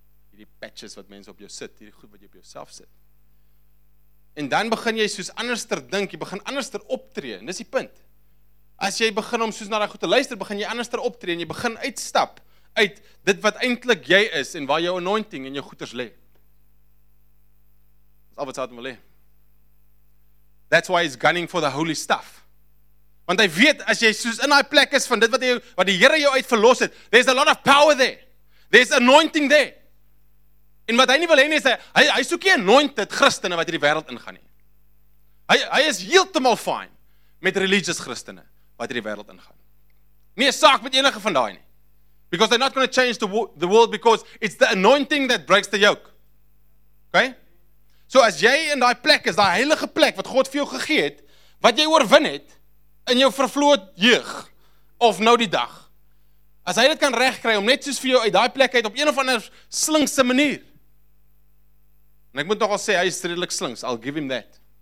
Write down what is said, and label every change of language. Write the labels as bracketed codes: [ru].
[af] Hierdie patches wat mense op jou sit, hierdie goed wat jy op jouself sit. En dan begin jy soos anderster dink, jy begin anderster optree, en dis die punt. As jy begin om soos na daai goed te luister, begin jy anderster optree, en jy begin uitstap uit dit wat eintlik jy is, en waar jou anointing en jou goeders lê. Dis al wat Satan wil lê. [en] That's why he's gunning for the holy stuff. [af] Want hy weet, as jy soos in daai plek is van dit wat, wat die Here jou uit verlos het, [en] there's a lot of power there. There's anointing there. [af] En wat hy nie wil hê nie, is hy soek nie anointed Christene wat hierdie wêreld ingaan nie. Hy is heeltemal fine met religious Christene wat hierdie wêreld ingaan. Nie 'n saak met enige van daai nie. [en] Because they're not going to change the world because it's the anointing that breaks the yoke. Okay? [af] So as jy in daai plek is, daai heilige plek wat God vir jou gegee het, wat jy oorwin het in jou vervloot jeug of nou die dag, as hy dit kan regkry om net soos vir jou uit daai plek uit op een of ander slinkse manier. En ek moet nogal sê, hy is redelik slinks. [en] I'll give him that.